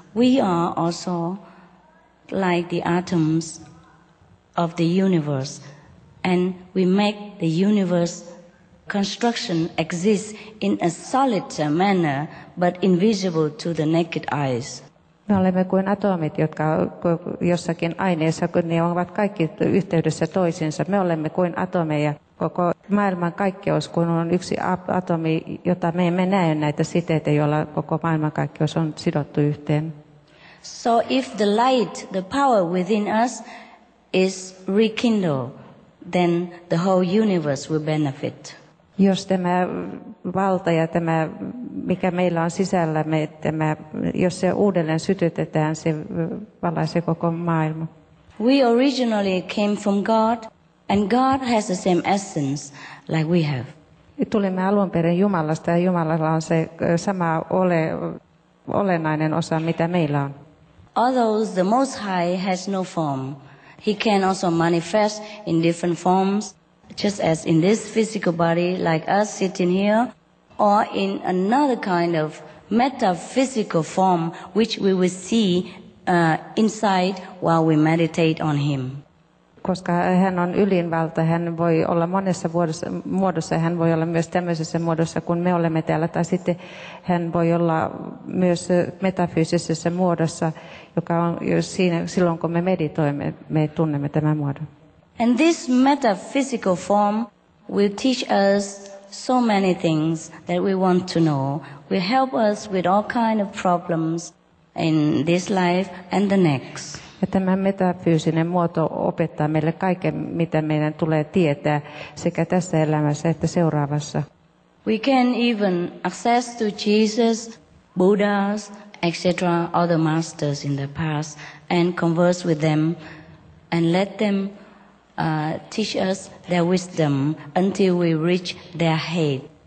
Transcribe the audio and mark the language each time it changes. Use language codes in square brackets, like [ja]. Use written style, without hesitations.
[en] We are also like the atoms of the universe, and we make the universe construction exist in a solid manner, but invisible to the naked eyes. [fi] Me olemme kuin atomit, jotka jossakin aineessa, kun ne ovat kaikki yhteydessä toisiinsa. Me olemme kuin atomeja. Koko maailman kaikkeus, kun on yksi atomi, jota me emme näe näitä siteitä, joilla koko maailman kaikkeus on sidottu yhteen. [en] So if the light, the power within us is rekindled, then the whole universe will benefit. [fi] Jos tämä valta ja tämä, mikä meillä on sisällämme, tämä, jos se uudelleen sytytetään, se valaisee koko maailma. [en] We originally came from God, and God has the same essence like we have. [fi] Tulemme alun perin Jumalasta, ja Jumalalla on se sama olennainen osa, mitä meillä on. [en] Although the Most High has no form, He can also manifest in different forms, just as in this physical body, like us sitting here, or in another kind of metaphysical form, which we will see inside while we meditate on Him. [fi] Koska hän on ylinvalta, hän voi olla monessa muodossa, hän voi olla myös tämmöisessä muodossa, kun me olemme täällä, tai sitten hän voi olla myös metafyysisessä muodossa, joka on siinä, silloin kun me meditoimme, me tunnemme tämän muodon. [en] And this metaphysical form will teach us so many things that we want to know, will help us with all kind of problems in this life and the next. [fi] Ja tämä metafyysinen muoto opettaa meille kaiken, mitä meidän tulee tietää sekä tässä elämässä että seuraavassa. [en] We can even access to Jesus, Buddhas, etc., other masters in the past, and converse with them and let them teach us their wisdom until we reach their head.